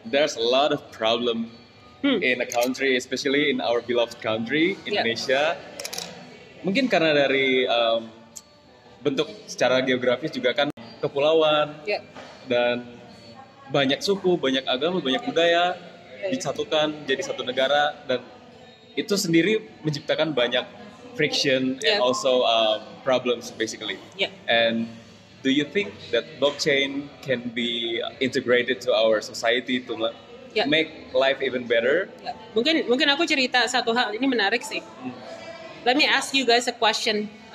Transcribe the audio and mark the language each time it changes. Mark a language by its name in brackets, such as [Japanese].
[English] There's a lot of problem in a country, especially in our beloved country, Indonesia. Yeah. [Indonesian] Mungkin karena dari bentuk secara geografis juga kan kepulauan. [English] Yeah. [Indonesian] Dan banyak suku, banyak agama, banyak budaya disatukan jadi satu negara, dan itu sendiri menciptakan banyak [English] friction and also problems basically. Yeah. And do you think that blockchain can be integrated to our society to make life even better? Yeah. [Indonesian] Mungkin aku cerita satu hal ini menarik sih. [English] Let me ask you guys a question.